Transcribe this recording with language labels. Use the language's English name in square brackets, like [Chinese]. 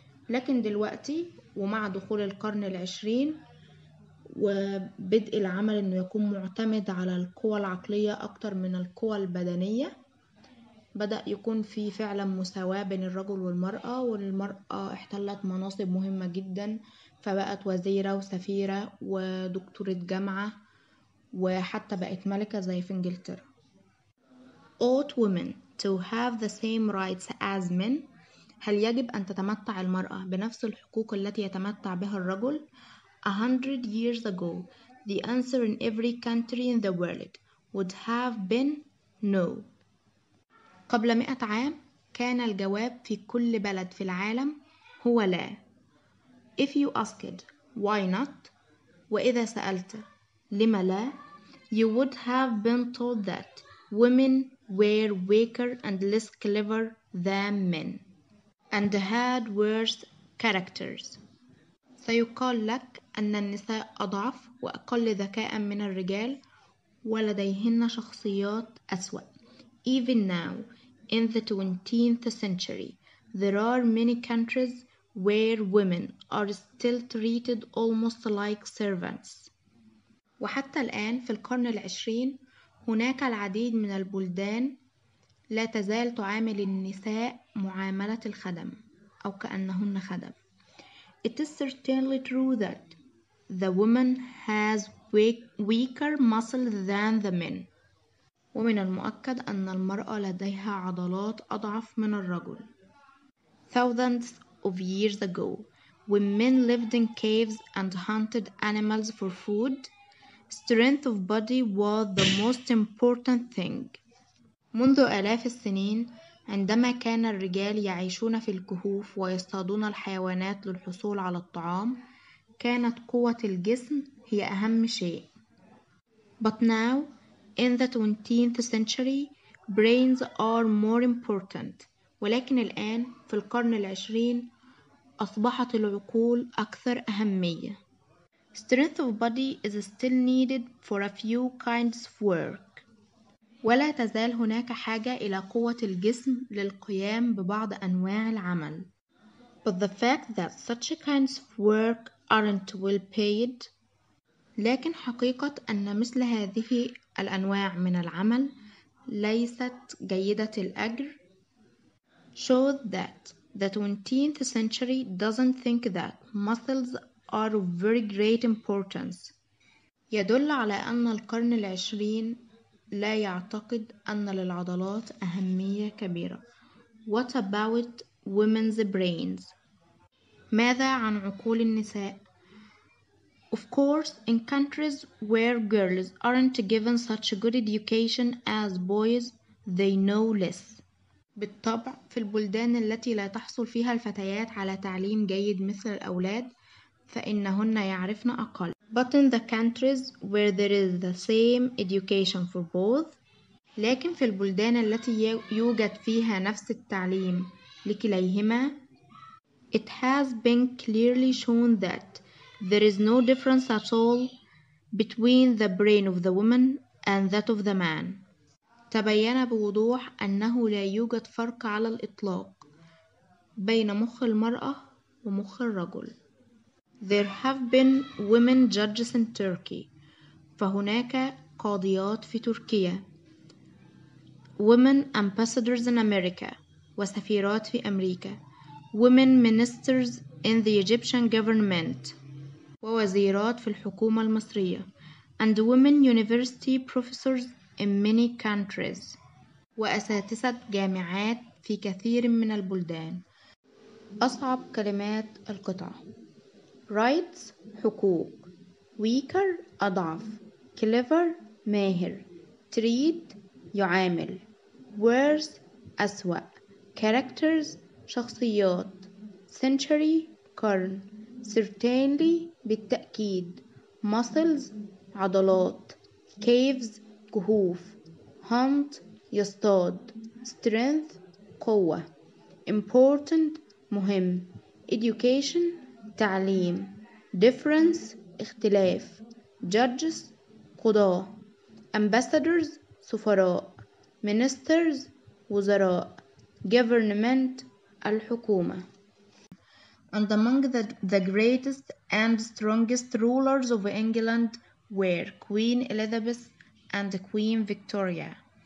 [Arabic] لكن دلوقتي ومع دخول القرن 20 وبدء العمل إنه يكون معتمد على القوى العقلية أكتر من القوى البدنية، بدأ يكون في فعلا مساواة بين الرجل والمرأة، والمرأة احتلت مناصب مهمة جدا، فبقت وزيرة وسفيرة ودكتورة جامعة وحتى بقت ملكة زي في إنجلترا. [English] Ought women to have the same rights as men؟ [Arabic] هل يجب أن تتمتع المرأة بنفس الحقوق التي يتمتع بها الرجل؟ [English] 100 years ago, the answer in every country in the world would have been no. [Arabic] قبل 100 عام كان الجواب في كل بلد في العالم هو لا. [English] If you asked why not, [Arabic] وإذا سألت لما لا, [English] you would have been told that women were weaker and less clever than men and had worse characters. [Arabic] سيقال لك أن النساء أضعف وأقل ذكاء من الرجال ولديهن شخصيات أسوأ. [English] Even now, in the 20th century, there are many countries where women are still treated almost like servants. [Arabic] وحتى الآن في القرن 20 هناك العديد من البلدان لا تزال تعامل النساء معاملة الخدم أو كأنهن خدم. [English] It is certainly true that the woman has weaker muscles than the men. [Arabic] ومن المؤكد أن المرأة لديها عضلات أضعف من الرجل. [English] Thousands of years ago, when men lived in caves and hunted animals for food, strength of body was the most important thing. [Arabic] منذ آلاف السنين عندما كان الرجال يعيشون في الكهوف ويصطادون الحيوانات للحصول على الطعام، كانت قوة الجسم هي أهم شيء. [English] But now, in the 20th century, brains are more important. [Arabic] ولكن الآن في القرن العشرين أصبحت العقول أكثر أهمية. [English] Strength of body is still needed for a few kinds of work. [Arabic] ولا تزال هناك حاجة إلى قوة الجسم للقيام ببعض أنواع العمل. [English] But the fact that such kinds of work aren't well paid. [Arabic] لكن حقيقة أن مثل هذه الأنواع من العمل ليست جيدة الأجر. [English] Shows that the 20th century doesn't think that muscles are of very great importance. [Arabic] يدل على أن القرن العشرين لا يعتقد أن للعضلات أهمية كبيرة. [English] What about women's brains? [Arabic] ماذا عن عقول النساء؟ [English] Of course, in countries where girls aren't given such good education as boys, they know less. [Arabic] بالطبع في البلدان التي لا تحصل فيها الفتيات على تعليم جيد مثل الأولاد فإنهن يعرفن أقل. [English] But in the countries where there is the same education for both, [Arabic] لكن في البلدان التي يوجد فيها نفس التعليم لكليهما, [English] it has been clearly shown that there is no difference at all between the brain of the woman and that of the man. [Arabic] تبين بوضوح أنه لا يوجد فرق على الإطلاق بين مخ المرأة ومخ الرجل. [English] There have been women judges in Turkey. [Arabic] فهناك قاضيات في تركيا. [English] Women ambassadors in America. [Arabic] وسفيرات في أمريكا. [English] Women ministers in the Egyptian government. [Arabic] ووزيرات في الحكومة المصرية. [English] And women university professors in many countries. [Arabic] وأساتذة جامعات في كثير من البلدان. أصعب كلمات القطعة. Rights حقوق. Weaker أضعف. Clever ماهر. Treat يعامل. Worse أسوأ. Characters شخصيات. Century قرن. certainly بالتأكيد، muscles عضلات، caves كهوف، hunt يصطاد، strength قوة، important مهم، education تعليم، difference اختلاف، judges قضاة، ambassadors سفراء، ministers وزراء، government الحكومة. [English] And among the greatest and strongest rulers of England were Queen Elizabeth and Queen Victoria.